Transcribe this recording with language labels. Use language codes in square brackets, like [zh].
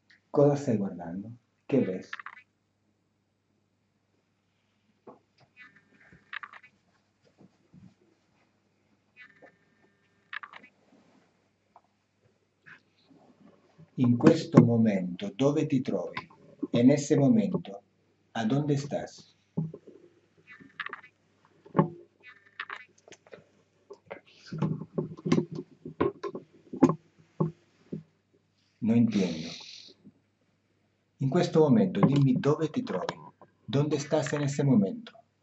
[es] ¿Cosa estás guardando? ¿Qué ves? [it] In questo momento, dove ti trovi? [es] In ese momento, a dónde estás? No entiendo. [it] In questo momento, dimmi dove ti trovi. [es] Dónde estás en ese momento?